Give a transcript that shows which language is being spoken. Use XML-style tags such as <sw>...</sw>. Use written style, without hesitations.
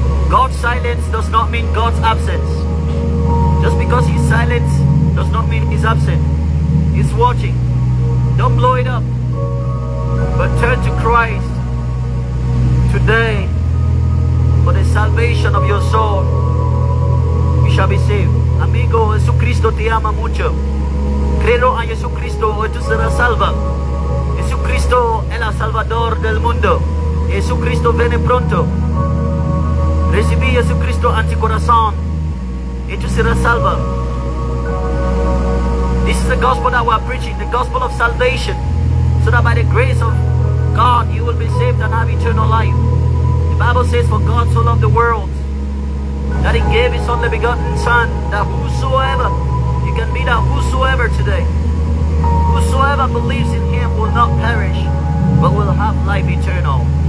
<en>God's silence does not mean God's absence. Just because he's silent does not mean he's absent. He's watching. Don't blow it up, but turn to Christ today for the salvation of your soul. You shall be saved.</en> <es>Amigo, Jesucristo te ama mucho. Creo a Jesucristo y tú serás salva. Jesucristo es el salvador del mundo. Jesucristo viene pronto. Recibí a Jesucristo en tu corazón y tú serás salva.</es> <en>This is the gospel that we are preaching, the gospel of salvation, so that by the grace of God you will be saved and have eternal life. The Bible says, for God so loved the world that he gave his only begotten son, that whosoever, you can be that whosoever today, whosoever believes in him will not perish, but will have life eternal.</en>